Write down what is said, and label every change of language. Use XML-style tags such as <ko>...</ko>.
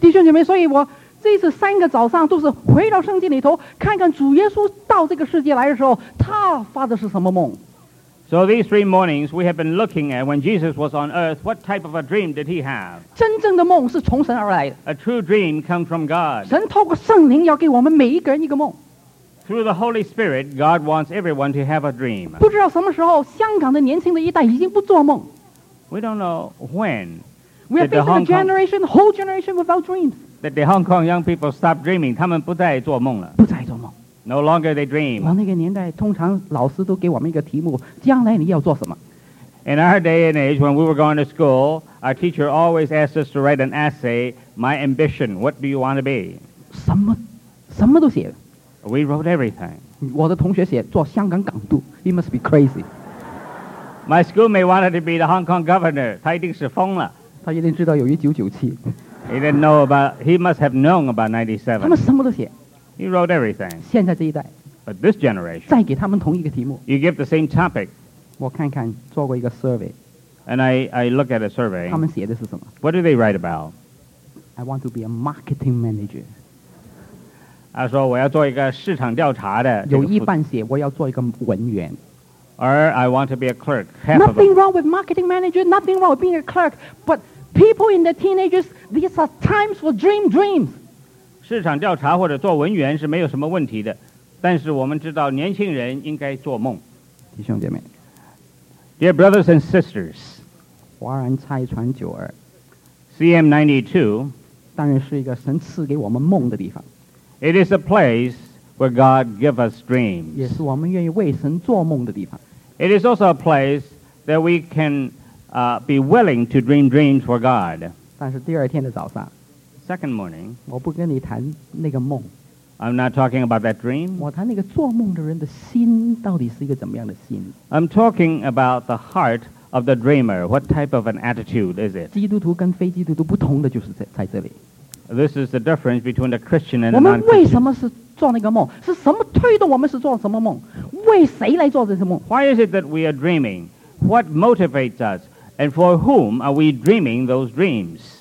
<zh>弟兄姐妹,所以我 这三个早上都是回到圣经里头看看主耶稣到这个世界来的时候他发的是什么梦</zh> <en>So these three mornings we have been looking at when Jesus was on earth what type of a dream did he have?</en> <zh>真正的梦是从神而来的</zh> <en>A true dream comes from God</en> <zh>神透过圣灵要给我们每一个人一个梦</zh> <en>Through the Holy Spirit God wants everyone to have a dream</en> <zh>不知道什么时候香港的年轻的一代已经不做梦</zh> <en>We don't know when. We are facing a generation, whole generation without dreams. That the Hong Kong young people stop dreaming.</en> <zh>他们不再做梦了。不再做梦。</zh> <en>No longer they dream.</en> <zh>那个年代通常老师都给我们一个题目，将来你要做什么。</zh> <en>In our day and age, when we were going to school, our teacher always asked us to write an essay, my ambition, what do you want to be?</en> <zh>什么都写。</zh> <en>We wrote everything.</en> <zh>我的同学写做香港港督，</zh> <en>he must be crazy. My schoolmate wanted to be the Hong Kong governor,</en> <zh>他一定是疯了。他一定知道有1997。</zh> <en>He didn't know about, he must have known about 97.</en> <zh>他们什么都写。</zh> <en>He wrote everything.</en> <zh>现在这一代。</zh> <en>But this generation.</en> <zh>再给他们同一个题目。</zh> <en>You give the same topic.</en> <zh>我看看做过一个 survey</zh> <en>and I look at a survey</en> <zh>他们写的是什么</zh> <en>what do they write about I want to be a marketing manager</en> <zh>他说我要做一个市场调查的有一半写我要做一个文员</zh> <en>or I want to be a clerk nothing wrong with marketing manager nothing wrong with being a clerk but people in the teenagers these are times for dreams</en> <zh>市场调查或者做文员是没有什么问题的但是我们知道年轻人应该做梦弟兄姐妹</zh> <en>Dear brothers and sisters,</en> <zh>华人拆船九二</zh> <en>CM92</en> <zh>当然是一个神赐给我们梦的地方</zh> <en>It is a place where God gives us dreams</en> <zh>也是我们愿意为神做梦的地方</zh> <en>It is also a place that we can be willing to dream dreams for God</en> <zh>但是第二天的早上</zh> <en>Second morning</en> <zh>我不跟你谈那个梦</zh> <en>I'm not talking about that dream</en> <zh>我谈那个做梦的人的心到底是一个怎么样的心</zh> <en>I'm talking about the heart of the dreamer. What type of an attitude is it?</en> <zh>基督徒跟非基督徒不同的就是在这里。</zh> <en>This is the difference between a Christian and a non-Christian. 我们</en> <zh>为什么是做那个梦？是什么推动我们是做什么梦？为谁来做这些梦？</zh> <en>Why is it that we are dreaming? What motivates us? And for whom are we dreaming those dreams?</en>